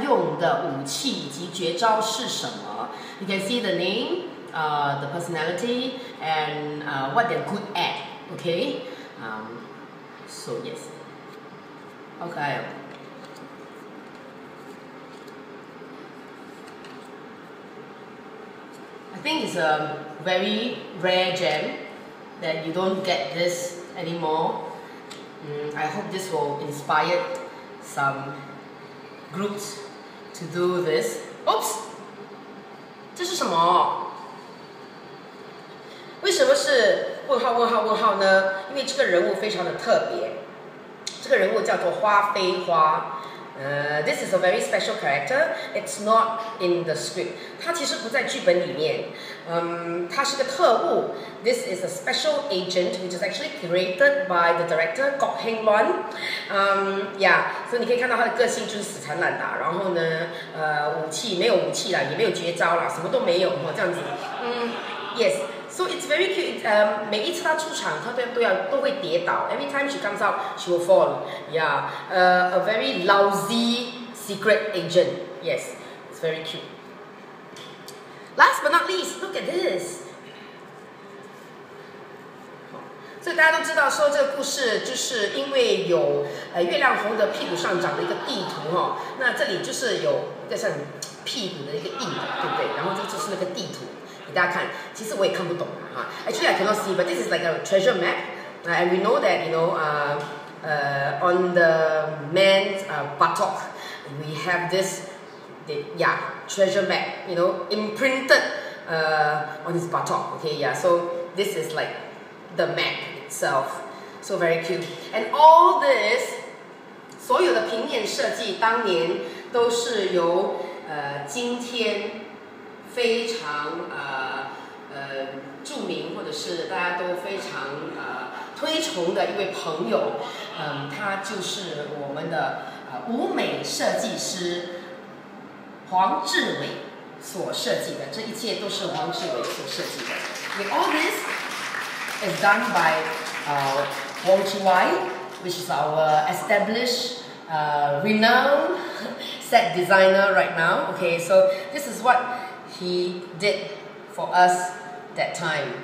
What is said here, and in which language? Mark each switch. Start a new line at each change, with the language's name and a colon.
Chinese: 都会写清楚人物的性格，他的名字，他是身份，还有他善用的武器以及绝招是什么。
English: You can see the name, the personality, and what they're good at. Okay, so yes. Okay. I think it's a very rare gem. That you don't get this anymore. I hope this will inspire some groups to do this.
Chinese: Oops! 这是什么? 为什么是问号问号问号呢?因为这个人物非常的特别。这个人物叫做花非花。
English: This is a very special character. It's not in the script.
Chinese: 它其实不在剧本里面。它是个特务。
English: This is a special agent which is actually created by the director, Kok Heng Luan.
Chinese: Yeah, so 你可以看到他的个性就是死缠烂打。然后呢，武器没有武器啦，也没有绝招啦，什么都没有，这样子。Yes.
English: So it's very cute.
Chinese: 每一次她出场，她都会跌倒。
English: Every time she comes out, she will fall. Yeah. A very lousy secret agent. Yes. It's very cute. Last but not least, look at this.
Chinese: 所以大家都知道说这个故事就是因为有月亮猴的屁股上长了一个地图、哦、那这里就是有一个像屁股的一个印，对不对？然后就是那个地图给大家看，其实我也看不懂、
English: 啊、Actually I cannot see, but this is like a treasure map、and we know that, you know, on the man's buttock we have this the, yeah, treasure map, you know, imprinted on his buttock, okay, yeah, so this is likethe map itself. So very cute. And all this,
Chinese: 所有的平面设计当年都是由今天非常著名或者是大家都非常推崇的一位朋友，他就是我们的舞美设计师黄志伟所设计的，这一切都是黄志伟所设计的。
English: With all thisis done by Wong Chi Wai, which is our established, renowned set designer right now. Okay, so this is what he did for us that time.